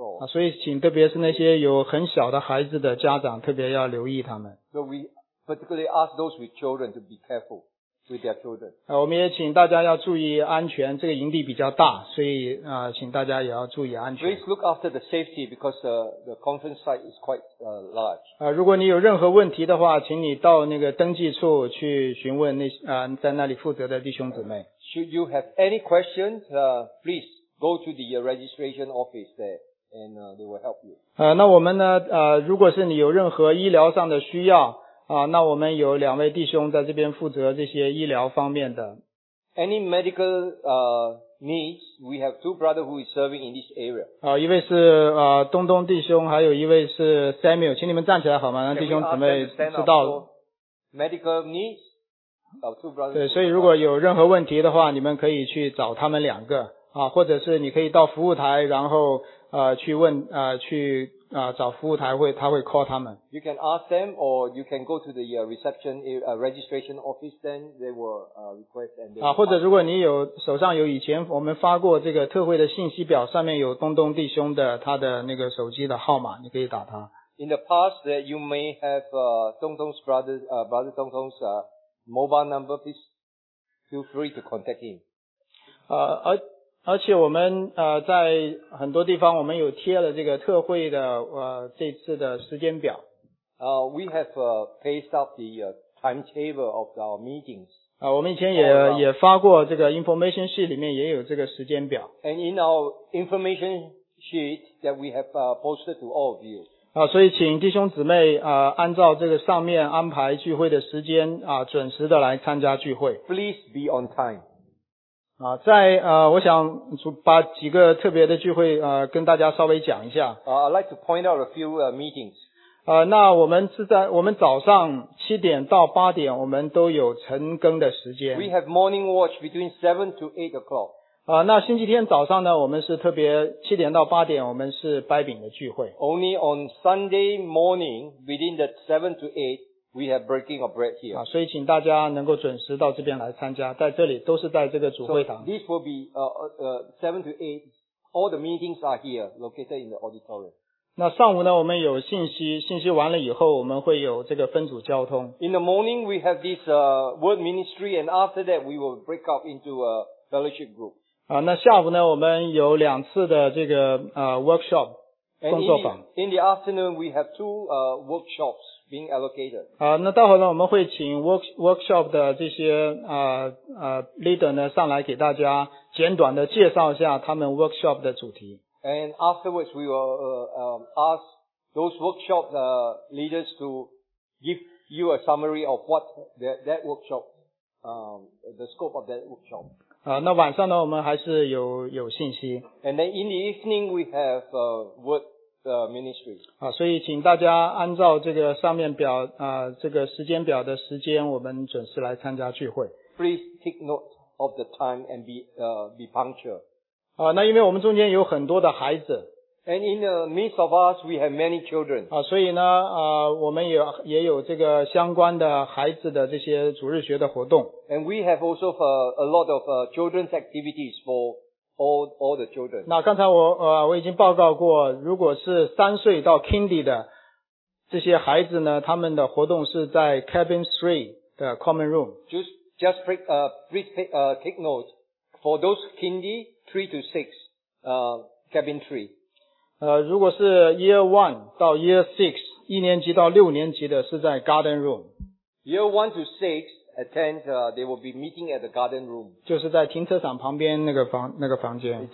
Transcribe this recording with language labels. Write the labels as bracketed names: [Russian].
[Chinese] 所以请特别是那些有很小的孩子的家长特别要留意他们。 [English] So we particularly ask those with children to be careful with their children. [Chinese] 我们也请大家要注意安全这个营地比较大所以请大家也要注意安全。 [English] Please look after the safety because the conference site is quite large. [Chinese] 如果你有任何问题的话请你到那个登记处去询问那在那里负责的弟兄姊妹。 [English] Should you have any questions, please go to the registration office there and they will help you. [Chinese] 那我们呢如果是你有任何医疗上的需要那我们有两位弟兄在这边负责这些医疗方面的。 [English] Any medical needs, we have two brothers who are serving in this area. [Chinese] 一位是东东弟兄还有一位是 Samuel, 请你们站起来好吗让弟兄姊妹知道。 [English] Medical needs, two brothers. [Chinese] 对所以如果有任何问题的话你们可以去找他们两个或者是你可以到服务台然后去问去找服务台会他会 call 他们。 [English] You can ask them or you can go to the reception registration office then they will request and they will [Chinese] 或者如果你有手上有以前我们发过这个特会的信息表上面有东东弟兄的他的那个手机的号码你可以打他。 [English] In the past that you may have Dongdong's brother Dongdong's mobile number please feel free to contact him. [Chinese] 而且我们在很多地方我们有贴了这个特会的这次的时间表。 [English] We have pasted up the timetable of our meetings. [Chinese] 我们以前也发过这个 [English] information sheet [Chinese] 里面也有这个时间表。 [English] And in our information sheet that we have posted to all of you. [Chinese] 所以请弟兄姊妹按照这个上面安排聚会的时间准时的来参加聚会。 [English] Please be on time. [Chinese] 在我想把几个特别的聚会跟大家稍微讲一下。 [English] I'd like to point out a few meetings. [Chinese] 那我们是在我们早上7点到8点我们都有晨更的时间。 [English] We have morning watch between 7 to 8 o'clock. [Chinese] 那星期天早上呢我们是特别7点到8点我们是掰饼的聚会。 [English] Only on Sunday morning between the 7 to 8,We have breaking of bread here. [Chinese] 所以请大家能够准时到这边来参加在这里都是在这个主会堂。 [English] So this will be 7 to 8. All the meetings are here, located in the auditorium. [Chinese] 那上午呢我们有信息，信息完了以后我们会有这个分组交通。 [English] In the morning we have this word ministry and after that we will break up into a fellowship group. [Chinese] 啊，那下午呢我们有两次的这个workshop 工作坊。 [English] In the afternoon we have two workshops being allocated. [Chinese] 啊，那待会呢我们会请 workshop 的这些leader 呢上来给大家简短的介绍一下他们 workshop 的主题。 [English] And afterwards, we will ask those workshop leaders to give you a summary of what that workshop, the scope of that workshop. [Chinese] 那晚上呢，我们还是有信息。 [English] And then in the evening, we have word ministry. [Chinese] 所以请大家按照这个上面表这个时间表的时间，我们准时来参加聚会。 [English] Please take note of the time and be punctual. [Chinese] 那因为我们中间有很多的孩子。 [English] And in the midst of us, we have many children. [Chinese] 所以呢我们也有这个相关的孩子的这些主日学的活动。 [English] And we have also a lot of children's activities for all the children. [Chinese] 那刚才我已经报告过，如果是三岁到 Kindy 的这些孩子呢，他们的活动是在 Cabin 3的 Common Room. [English] Just take note, for those Kindy,3 to 6, cabin 3. [Chinese] 如果是 year 1 到 year 6, 一年级到六年级的是在 garden room. [English] Year 1 to 6, attend, they will be meeting at the garden room. [Chinese] 就是在停车场旁边那个房间。